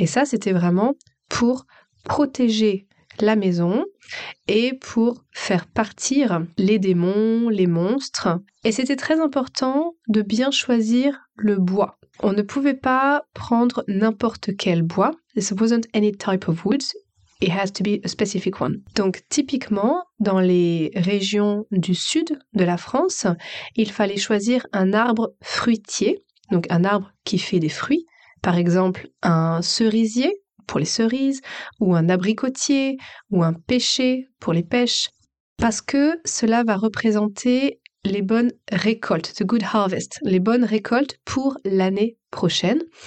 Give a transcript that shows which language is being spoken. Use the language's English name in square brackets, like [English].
[French] Et ça, c'était vraiment pour protéger la maison et pour faire partir les démons, les monstres. Et c'était très important de bien choisir le bois. On ne pouvait pas prendre n'importe quel bois. [English] This wasn't any type of wood. It has to be a specific one. [French] Donc, typiquement, dans les régions du sud de la France, il fallait choisir un arbre fruitier, donc un arbre qui fait des fruits. Par exemple, un cerisier pour les cerises, ou un abricotier, ou un pêcher pour les pêches, parce que cela va représenter les bonnes récoltes, [English] the good harvest, [French] les bonnes récoltes pour l'année prochaine.